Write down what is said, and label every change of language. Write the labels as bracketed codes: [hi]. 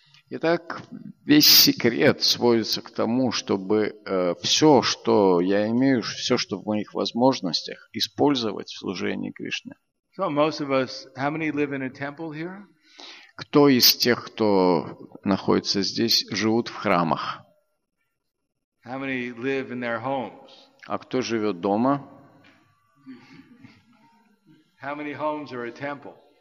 [ru] Итак, весь секрет сводится к тому, чтобы все, что я имею, все, что в моих возможностях, использовать в служении Кришне. [en] So most of us, how many live in a temple here? [ru] Кто из тех, кто находится здесь, живут в храмах? [en] How many live in their homes? [ru] А кто живет дома? [en] How many homes are a temple?